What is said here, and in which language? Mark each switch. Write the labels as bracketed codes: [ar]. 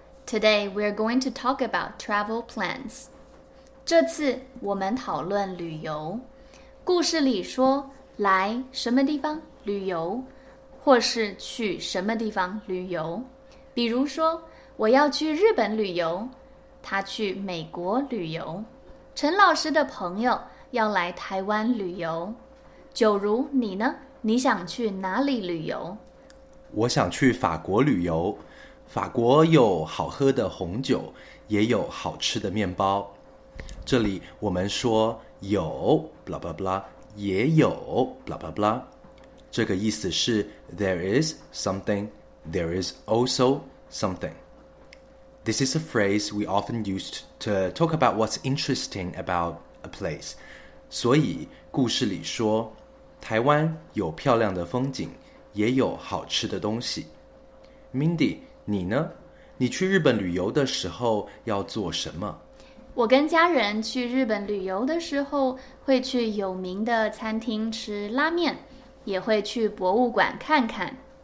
[en] Today, we're going to talk about travel plans. [zh] 这次我们讨论旅游。故事里说来什么地方旅游，或是去什么地方旅游。比如说，我要去日本旅游，他去美国旅游。陈老师的朋友要来台湾旅游。九如，你呢？你想去哪里旅游？我想去法国旅游，法国有好喝的红酒，也有好吃的面包。这里我们说有 blah blah blah， 也有 blah blah blah， 这个意思是 [en] there is something， there is also something。 This is a phrase we often used to talk about what's interesting about a place。 [zh] 所以故事里说台湾有漂亮的风景，也有好吃的东西。 Mindy， 你呢？你去日本旅游的时候要做什么？我跟家人去日本旅游的时候会去有名的餐厅吃拉面，也会去博物馆看看。